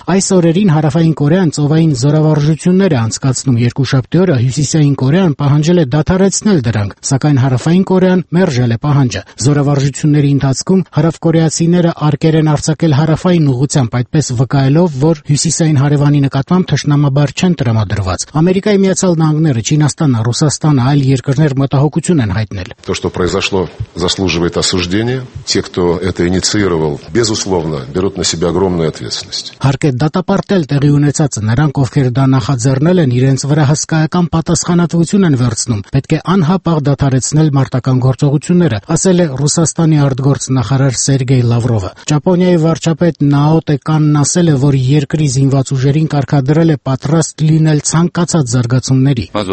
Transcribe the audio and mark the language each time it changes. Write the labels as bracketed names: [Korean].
[Armenian] Այս օրերին Հարավային Կորեան ծովային զորավարժություններ է անցկացնում։ Երկու շաբթի օրը Հյուսիսային Կորեան պահանջել է դադարեցնել դրանք, սակայն Հարավային Կորեան մերժել է պահանջը։ Զորավարժությունների ընթացքում հարավկորեացիները արկեր են արձակել հարավային ուղղությամբ, այդպես վկայելով, որ հյուսիսային հարևանի նկատմամբ թշնամաբար չեն տրամադրված։ Ամերիկայի Միացյալ Նահանգները, Չինաստանը, Ռուսաստանը, այլ երկրներ մտահոգություն են հայտնել։ [Russian] То, что произошло, заслуживает осуждения. Те, кто это инициировал, безусловно, берут на себя огромную ответственность. [Armenian] Հարկ է դատապարտել տեղի ունեցածը, նրանք ովքեր դա նախաձեռնել են, իրենց վրա հսկայական պատասխանատվություն են վերցնում, պետք է անհապաղ դադարեցնել մարտական գործողությունները, ասել է Ռուսաստանի արտգործ նախարար Սերգեյ Լավրովը։ Ճապոնիայի վարչապետ Նաոտե Կանն ասել է, որ երկրի զինված ուժերին կարգադրել է պատրաստ լինել ցանկացած զարգացումների։